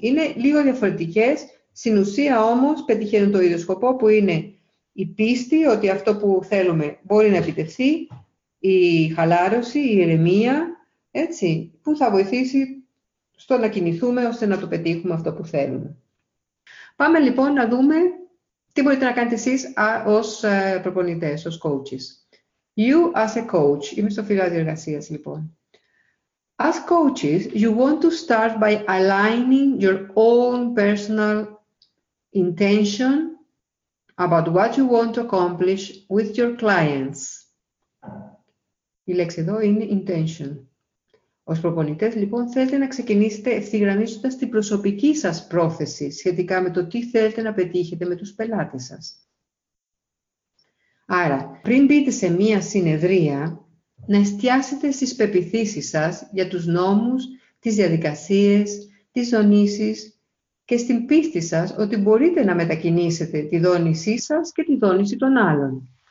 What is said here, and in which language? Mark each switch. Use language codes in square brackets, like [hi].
[el] Είναι λίγο διαφορετικές. Στην ουσία όμως πετυχαίνουν το ίδιο σκοπό, που είναι η πίστη ότι αυτό που θέλουμε μπορεί να επιτευχθεί, η χαλάρωση, η ηρεμία, έτσι, που θα βοηθήσει στο να κινηθούμε ώστε να το πετύχουμε αυτό που θέλουμε. Πάμε λοιπόν να δούμε τι μπορείτε να κάνετε εσείς ως προπονητές, ως coaches. [en] You as a coach. [el] Είμαι στο φύλλο διεργασίας λοιπόν. [en] As coaches, you want to start by aligning your own personal intention about what you want to accomplish with your clients. [el] Η λέξη εδώ είναι intention. Ως προπονητές, λοιπόν, θέλετε να ξεκινήσετε ευθυγραμμίζοντας την προσωπική σας πρόθεση σχετικά με το τι θέλετε να πετύχετε με τους πελάτες σας. Άρα, πριν μπείτε σε μία συνεδρία, να εστιάσετε στις πεποιθήσεις σας για τους νόμους, τις διαδικασίες, τις δονήσεις και στην πίστη σας ότι μπορείτε να μετακινήσετε τη δόνησή σας και τη δόνηση των άλλων.